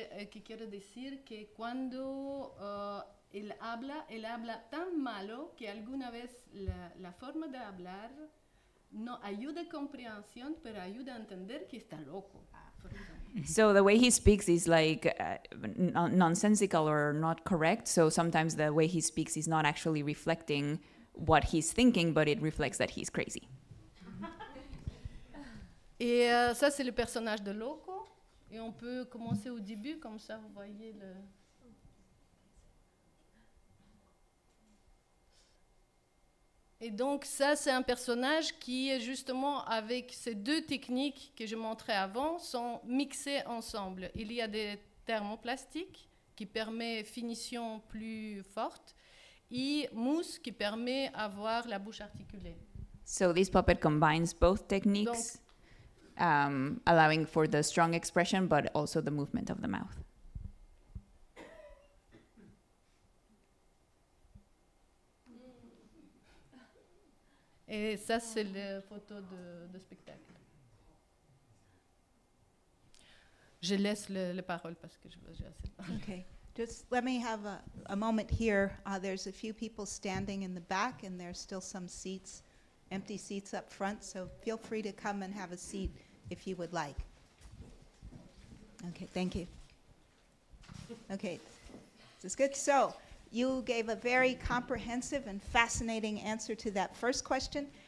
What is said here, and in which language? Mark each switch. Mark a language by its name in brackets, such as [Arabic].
[Spanish] Que quiero decir que cuando él habla tan malo que alguna vez la forma de hablar no ayuda comprensión, pero ayuda a entender que está loco. [English] So the way he speaks is like nonsensical or not correct. So sometimes the way he speaks is not actually reflecting what he's thinking, but it reflects that he's crazy. [French] Et ça, c'est le personnage de Loco. Et on peut commencer au début, comme ça, vous voyez le... Et donc ça, c'est un personnage qui est justement avec ces deux techniques que je montrais avant, sont mixées ensemble. Il y a des thermoplastiques qui permettent finition plus forte et mousse qui permet avoir la bouche articulée. [English] So this puppet combines both techniques, donc, allowing for the strong expression but also the movement of the mouth. [French] Et ça, c'est la photo de spectacle. Je laisse les paroles parce que je veux dire assez. [English] Okay. Just let me have a moment here. There's a few people standing in the back, and there's still some seats, empty seats up front. So feel free to come and have a seat if you would like. Okay, thank you. Okay, this is good. So. You gave a very comprehensive and fascinating answer to that first question.